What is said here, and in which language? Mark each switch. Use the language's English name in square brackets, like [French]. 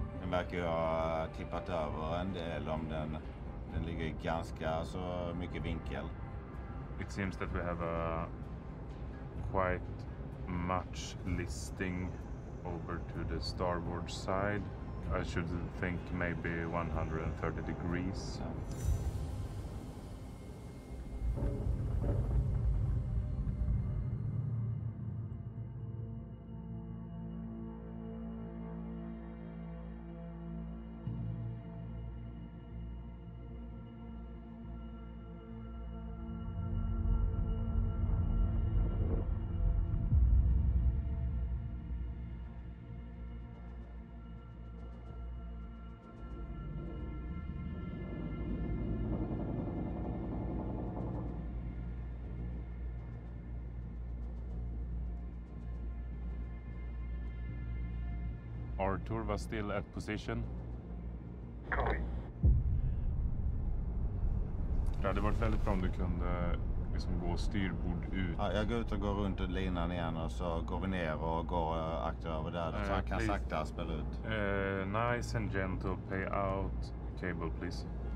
[Swedish] verkar ha tippat över en del om den. Den ligger ganska så mycket vinkel. [English] It seems that we have a quite much listing over to the starboard side. I should think maybe 130 degrees. Tour was still at position. Copy. [Swedish] Det hade varit väldigt bra om du kunde liksom gå styrbord ut. Ja, jag går ut och går runt och linan igen och så går vi ner och går aktivt över där. Så han kan sakta spela ut. [English] Nice and gentle pay out cable please.